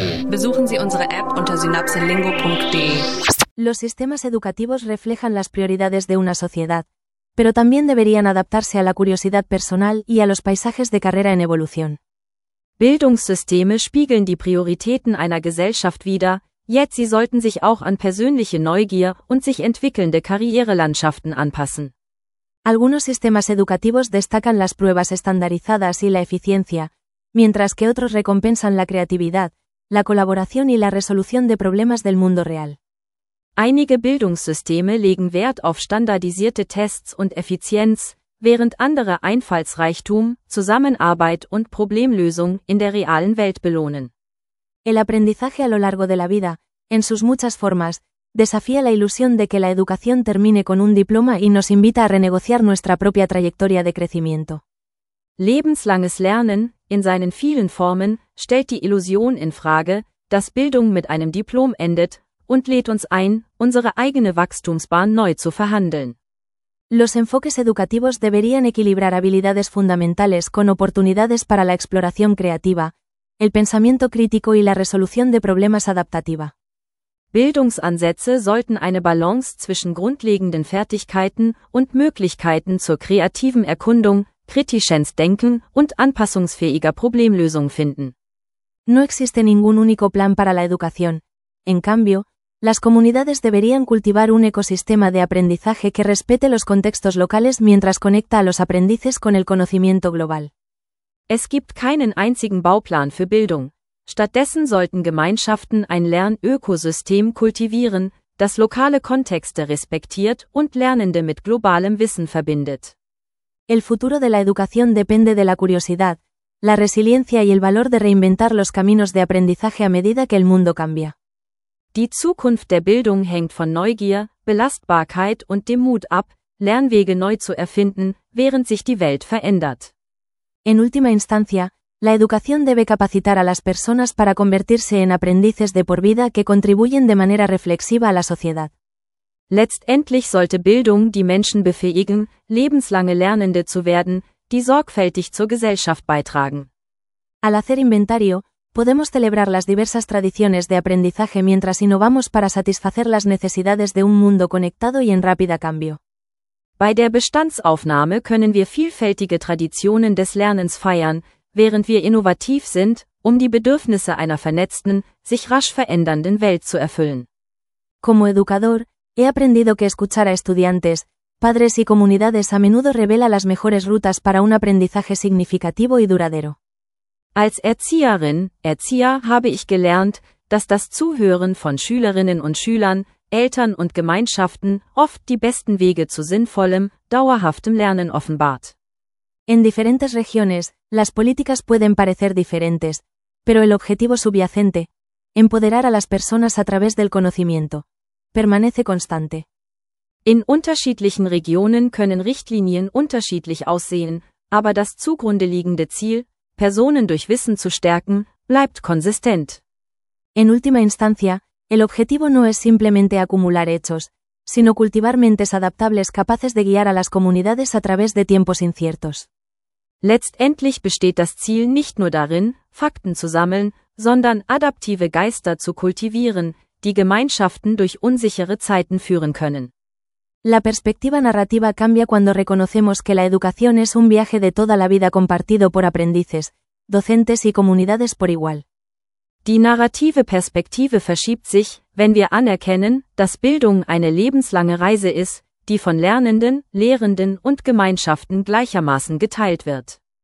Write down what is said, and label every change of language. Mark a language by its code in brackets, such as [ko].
[de] Besuchen Sie unsere App unter synapselingo.de. [es] Los sistemas educativos reflejan las prioridades de una sociedad, pero también deberían adaptarse a la curiosidad personal y a los paisajes de carrera en evolución. [de] Bildungssysteme spiegeln die Prioritäten einer Gesellschaft wider, [en] yet [de] sie sollten sich auch an persönliche Neugier und sich entwickelnde Karrierelandschaften anpassen. [es] Algunos sistemas educativos destacan las pruebas estandarizadas y la eficiencia, mientras que otros recompensan la creatividad, la colaboración y la resolución de problemas del mundo real. [de] Einige Bildungssysteme legen Wert auf standardisierte Tests und Effizienz, während andere Einfallsreichtum, Zusammenarbeit und Problemlösung in der realen Welt belohnen. [es] El aprendizaje a lo largo de la vida, en sus muchas formas, desafía la ilusión de que la educación termine con un diploma y nos invita a renegociar nuestra propia trayectoria de crecimiento. [de] Lebenslanges Lernen, in seinen vielen Formen, stellt die Illusion in Frage, dass Bildung mit einem Diplom endet, und lädt uns ein, unsere eigene Wachstumsbahn neu zu verhandeln. [es] Los enfoques educativos deberían equilibrar habilidades fundamentales con oportunidades para la exploración creativa, el pensamiento crítico y la resolución de problemas adaptativa. [de] Bildungsansätze sollten eine Balance zwischen grundlegenden Fertigkeiten und Möglichkeiten zur kreativen Erkundung, kritisches Denken und anpassungsfähiger Problemlösung finden. [es] No existe ningún único plan para la educación. En cambio, las comunidades deberían cultivar un ecosistema de aprendizaje que respete los contextos locales mientras conecta a los aprendices con el conocimiento global. [de] Es gibt keinen einzigen Bauplan für Bildung. Stattdessen sollten Gemeinschaften ein Lernökosystem kultivieren, das lokale Kontexte respektiert und Lernende mit globalem Wissen verbindet. [es] El futuro de la educación depende de la curiosidad, la resiliencia y el valor de reinventar los caminos de aprendizaje a medida que el mundo cambia. [de] Die Zukunft der Bildung hängt von Neugier, Belastbarkeit und dem Mut ab, Lernwege neu zu erfinden, während sich die Welt verändert. [es] En última instancia, la educación debe capacitar a las personas para convertirse en aprendices de por vida que contribuyen de manera reflexiva a la sociedad. [de] Letztendlich sollte Bildung die Menschen befähigen, lebenslange Lernende zu werden, die sorgfältig zur Gesellschaft beitragen. [es] Al hacer inventario, podemos celebrar las diversas tradiciones de aprendizaje mientras innovamos para satisfacer las necesidades de un mundo conectado y en rápida cambio. [de] Bei der Bestandsaufnahme können wir vielfältige Traditionen des Lernens feiern, während wir innovativ sind, um die Bedürfnisse einer vernetzten, sich rasch verändernden Welt zu erfüllen. [es] Como educador, he aprendido que escuchar a estudiantes, padres y comunidades a menudo revela las mejores rutas para un aprendizaje significativo y duradero. [de] Als Erzieherin, Erzieher habe ich gelernt, dass das Zuhören von Schülerinnen und Schülern, Eltern und Gemeinschaften oft die besten Wege zu sinnvollem, dauerhaftem Lernen offenbart. [es] En diferentes regiones, las políticas pueden parecer diferentes, pero el objetivo subyacente, empoderar a las personas a través del conocimiento, permanece constante. [de] In unterschiedlichen Regionen können Richtlinien unterschiedlich aussehen, aber das zugrunde liegende Ziel, Personen durch Wissen zu stärken, bleibt konsistent. [es] En última instancia, el objetivo no es simplemente acumular hechos, sino cultivar mentes adaptables capaces de guiar a las comunidades a través de tiempos inciertos. [de] Letztendlich besteht das Ziel nicht nur darin, Fakten zu sammeln, sondern adaptive Geister zu kultivieren, die Gemeinschaften durch unsichere Zeiten führen können. [es] La perspectiva narrativa cambia cuando reconocemos que la educación es un viaje de toda la vida compartido por aprendices, docentes y comunidades por igual. [de] Die narrative Perspektive verschiebt sich, wenn wir anerkennen, dass Bildung eine lebenslange Reise ist, die von Lernenden, Lehrenden und Gemeinschaften gleichermaßen geteilt wird.